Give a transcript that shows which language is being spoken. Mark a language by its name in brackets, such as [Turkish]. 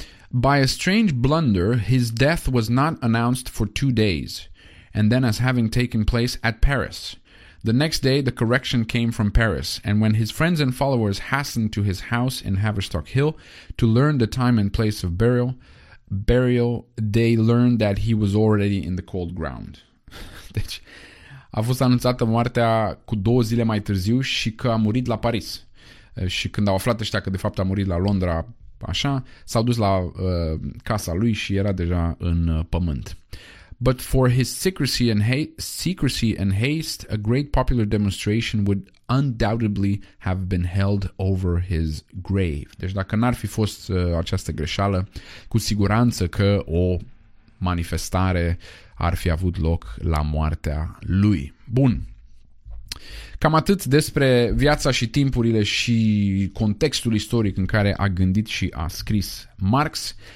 [English] By a strange blunder, his death was not announced for 2 days, and then as having taken place at Paris. The next day, the correction came from Paris, and when his friends and followers hastened to his house in Haverstock Hill to learn the time and place of burial, they learned that he was already in the cold ground. [Romanian] Deci, a fost anunțată moartea cu 2 zile mai târziu și că a murit la Paris. Și când au aflat ăștia că de fapt a murit la Londra, așa, s-au dus la casa lui și era deja în pământ. [English] But for his secrecy and haste, a great popular demonstration would undoubtedly have been held over his grave. [Romanian] Deci dacă n-ar fi fost această greșeală, cu siguranță că o manifestare ar fi avut loc la moartea lui. Bun. Cam atât despre viața și timpurile și contextul istoric în care a gândit și a scris Marx.